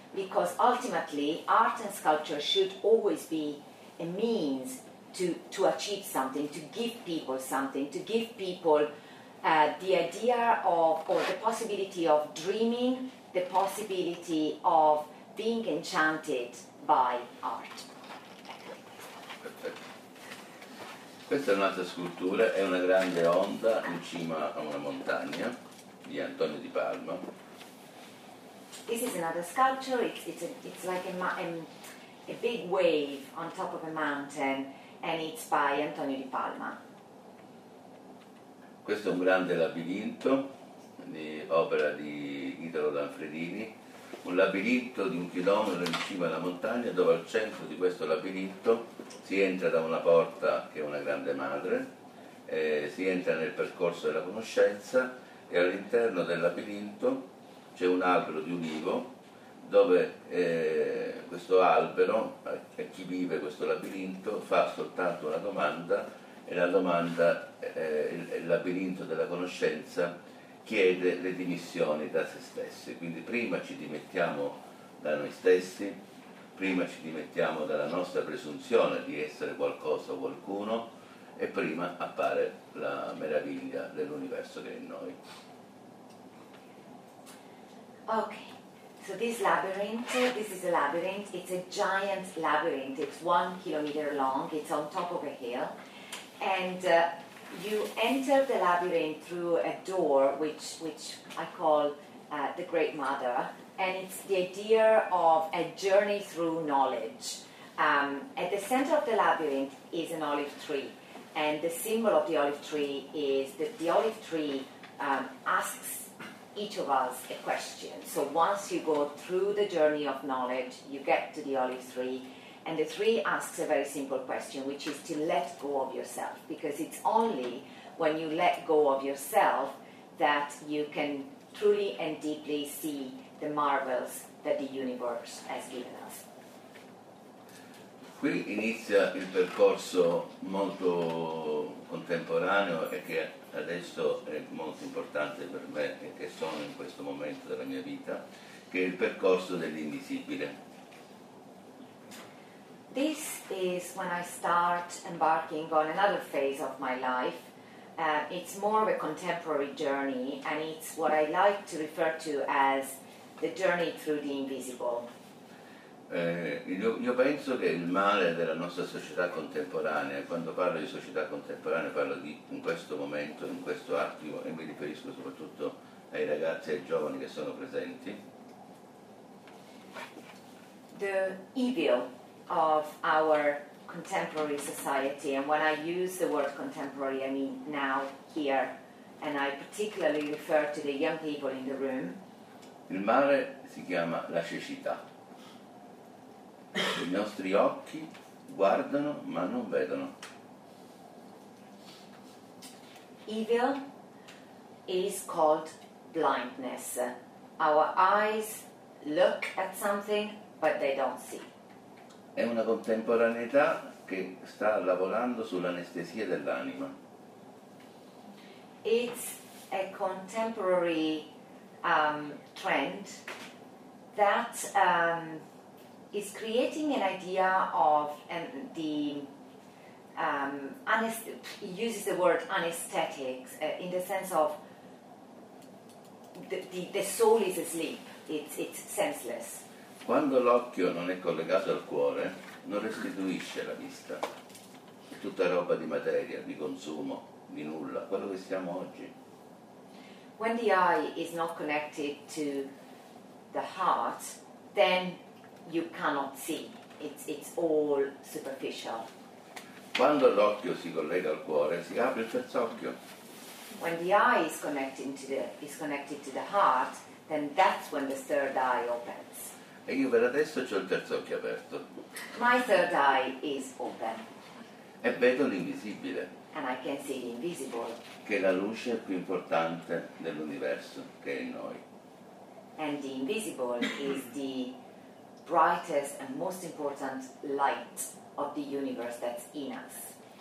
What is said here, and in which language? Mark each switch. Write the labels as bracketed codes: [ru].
[en] Because ultimately, art and sculpture should always be a means to achieve something, to give people something, to give people the idea of, or the possibility of dreaming, the possibility of being enchanted by art. [it] Questa è un'altra scultura, è una grande onda in cima a una montagna di Antonio Di Palma. [en] This is another sculpture. It's like a big wave on top of a mountain, and it's by Antonio Di Palma. [it] Questo è un grande labirinto di opera di Italo Lanfredini. un labirinto di 1 chilometro in cima alla montagna, dove al centro di questo labirinto si entra da una porta che è una grande madre, si entra nel percorso della conoscenza, e all'interno del labirinto c'è un albero di ulivo, dove questo albero, a chi vive questo labirinto, fa soltanto una domanda, e la domanda, il labirinto della conoscenza, chiede le dimissioni da se stessi. Quindi prima ci dimettiamo da noi stessi, prima ci dimettiamo dalla nostra presunzione di essere qualcosa o qualcuno, e prima appare la meraviglia dell'universo che è in noi. [en] Ok. So this labyrinth, this is a labyrinth, it's a giant labyrinth, it's 1 kilometer long, it's on top of a hill, and you enter the labyrinth through a door which I call the Great Mother, and it's the idea of a journey through knowledge. At the center of the labyrinth is an olive tree, and the symbol of the olive tree is that the olive tree asks each of us a question. So once you go through the journey of knowledge, you get to the olive tree, and the tree asks a very simple question, which is to let go of yourself, because it's only when you let go of yourself that you can truly and deeply see the marvels that the universe has given us. [it] Qui inizia il percorso molto contemporaneo e che adesso è molto importante per me e che sono in questo momento della mia vita, che è il percorso dell'invisibile. [en] This is when I start embarking on another phase of my life. It's more of a contemporary journey, and it's what I like to refer to as the journey through the invisible. [it] Io penso che il male della nostra società contemporanea, quando parlo di società contemporanea parlo di in questo momento, in questo attimo, e mi riferisco soprattutto ai ragazzi e ai giovani che sono presenti. [en] The evil of our contemporary society, and when I use the word contemporary I mean now, here, and I particularly refer to the young people in the room. [it] Il male si chiama la cecità. I nostri occhi guardano ma non vedono. [en] Evil is called blindness. Our eyes look at something but they don't see. [it] È una contemporaneità che sta lavorando sull'anestesia dell'anima. [en] It's a contemporary trend that is creating an idea of uses the word anesthetic in the sense of the soul is asleep, it's senseless. [it] Quando l'occhio non è collegato al cuore, non restituisce la vista. È tutta roba di materia, di consumo, di nulla, quello che siamo oggi. [en] When the eye is not connected to the heart, then you cannot see. It's all superficial. [it] Quando l'occhio si collega al cuore, si apre il terzo occhio. [en] When the eye is connected to the heart, then that's when the third eye opens. [it] E io per adesso ho il terzo occhio aperto. [en] My third eye is open. [it] E vedo l'invisibile. [en] And I can see the invisible. [it] Che è la luce più importante dell'universo, che è in noi. [en] And the invisible is the brightest and most important light of the universe that's in us.